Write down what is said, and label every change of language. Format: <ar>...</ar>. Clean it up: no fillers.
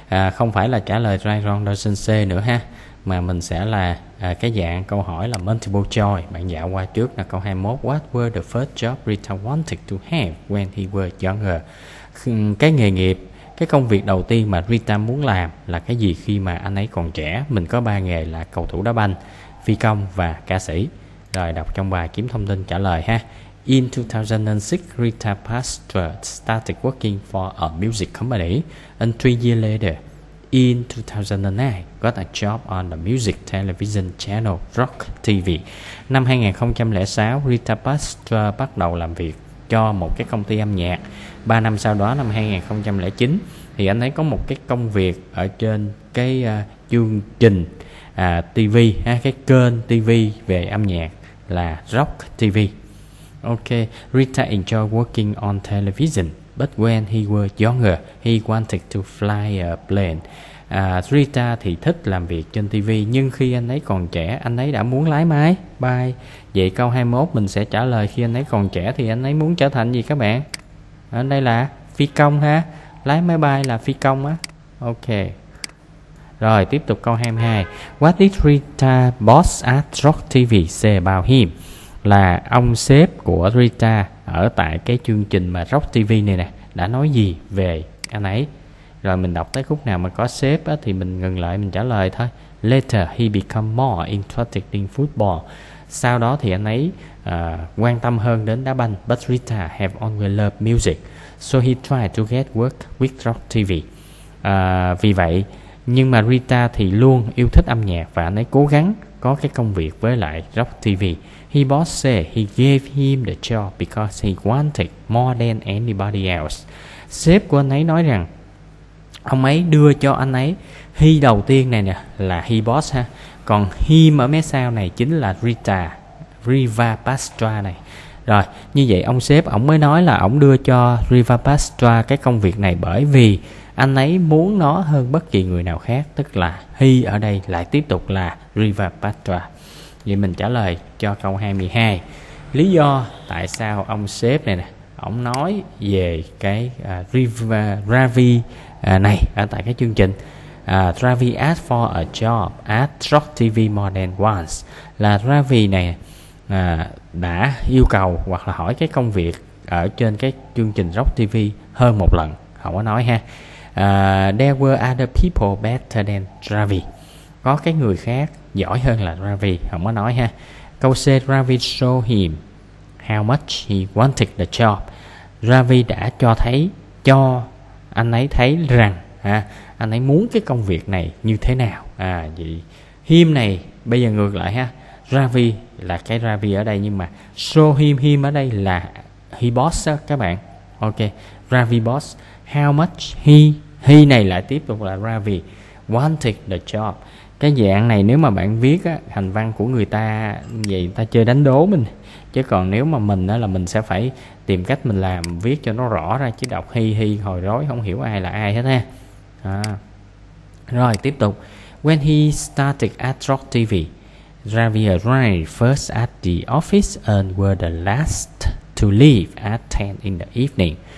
<vi>Không phải là trả lời</vi> <en>right, wrong, or sincere</en> <vi>nữa ha, mà mình sẽ là cái dạng câu hỏi là multiple choice. Bạn dạo qua trước là câu 21,</vi> <en>what were the first job Rita wanted to have when he was younger?</en> <vi>Cái nghề nghiệp, cái công việc đầu tiên mà Rita muốn làm là cái gì khi mà anh ấy còn trẻ? Mình có ba nghề là cầu thủ đá banh, phi công và ca sĩ. Rồi đọc trong bài kiếm thông tin trả lời ha.</vi> <en>In 2006, Rita Pastor started working for a music company. And 3 years later, in 2009, got a job on the music television channel Rock TV.</en> <vi>Năm 2006, Rita Pastor bắt đầu làm việc cho một cái công ty âm nhạc. 3 năm sau đó, năm 2009, thì anh ấy có một cái công việc ở trên cái chương trình TV, cái kênh TV về âm nhạc là Rock TV.</vi> <en>Ok, Rita enjoyed working on television, but when he was younger, he wanted to fly a plane.</en> <vi>Rita thì thích làm việc trên TV, nhưng khi anh ấy còn trẻ, anh ấy đã muốn lái máy bay. Vậy câu 21 mình sẽ trả lời khi anh ấy còn trẻ thì anh ấy muốn trở thành gì các bạn? Ở đây là phi công ha, lái máy bay là phi công á. Ok. Rồi tiếp tục câu 22.</vi> <en>What did Rita boss at Rock TV say about him?</en> <vi>Là ông sếp của Rita ở tại cái chương trình mà Rock TV này nè, đã nói gì về anh ấy? Rồi mình đọc tới khúc nào mà có sếp á, thì mình ngừng lại mình trả lời thôi.</vi> <en>Later he become more interested in football.</en> <vi>Sau đó thì anh ấy quan tâm hơn đến đá banh.</vi> <en>But Rita have always loved music, so he tried to get work with Rock TV.</en> <vi>Vì vậy, nhưng mà Rita thì luôn yêu thích âm nhạc và anh ấy cố gắng có cái công việc với lại Rock TV.</vi> <en>He boss said he gave him the job because he wanted more than anybody else.</en> <vi>Sếp của anh ấy nói rằng ông ấy đưa cho anh ấy, he đầu tiên này nè là he boss ha, còn him ở mé sau này chính là Rita, Riva Pastra này. Rồi như vậy ông sếp ông mới nói là ông đưa cho Riva Pastra cái công việc này bởi vì anh ấy muốn nó hơn bất kỳ người nào khác, tức là he ở đây lại tiếp tục là Riva Pastra. Vậy mình trả lời cho câu 22. Lý do tại sao ông sếp này nè ông nói về cái Ravi này ở tại cái chương trình</vi> <en>Ravi asked for a job at Rock TV more than once,</en> <vi>là Ravi này đã yêu cầu hoặc là hỏi cái công việc ở trên cái chương trình Rock TV hơn một lần. Không có nói ha.</vi> <en>There were other people better than Ravi.</en> <vi>Có cái người khác giỏi hơn là Ravi. Không có nói ha. Câu C,</vi> <en>Ravi showed him how much he wanted the job.</en> <vi>Ravi đã cho anh ấy thấy rằng anh ấy muốn cái công việc này như thế nào. Vậy him này bây giờ ngược lại ha, Ravi là cái Ravi ở đây, nhưng mà show him, him ở đây là he boss đó, các bạn.</vi> <en>Ok, Ravi boss, how much he</en> <vi>này lại tiếp tục là</vi> <en>Ravi wanted the job.</en> <vi>Cái dạng này nếu mà bạn viết á, hành văn của người ta vậy ta chơi đánh đố mình, chứ còn nếu mà mình á, là mình sẽ phải tìm cách mình làm viết cho nó rõ ra, chứ đọc hi hồi rối không hiểu ai là ai hết ha. Rồi tiếp tục.</vi> <en>When he started at Rock TV, Ravi arrived first at the office and were the last to leave at 10 in the evening.</en>